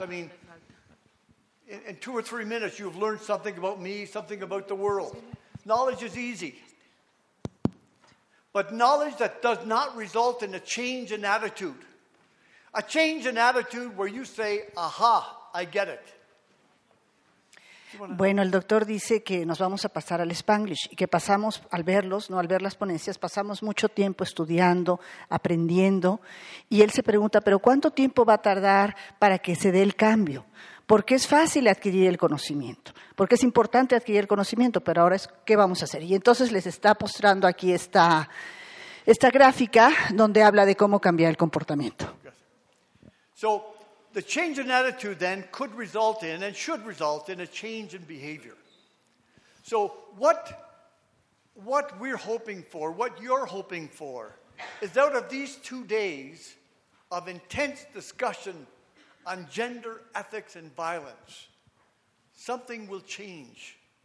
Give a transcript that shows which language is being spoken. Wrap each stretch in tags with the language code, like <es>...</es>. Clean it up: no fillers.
<en>I mean, in 2 or 3 minutes, you've learned something about me, something about the world. Knowledge is easy. But knowledge that does not result in a change in attitude, a change in attitude where you say, aha, I get it.</en> <es>Bueno, el doctor dice que nos vamos a pasar al Spanglish y que pasamos, al verlos, no al ver las ponencias, pasamos mucho tiempo estudiando, aprendiendo. Y él se pregunta, ¿pero cuánto tiempo va a tardar para que se dé el cambio? Porque es fácil adquirir el conocimiento, porque es importante adquirir el conocimiento, pero ahora es, ¿qué vamos a hacer? Y entonces les está mostrando aquí esta gráfica donde habla de cómo cambiar el comportamiento.</es> <en>So, the change in attitude then could result in and should result in a change in behavior. So what we're hoping for, what you're hoping for, is out of these 2 days of intense discussion on gender, ethics, and violence, something will change.</en>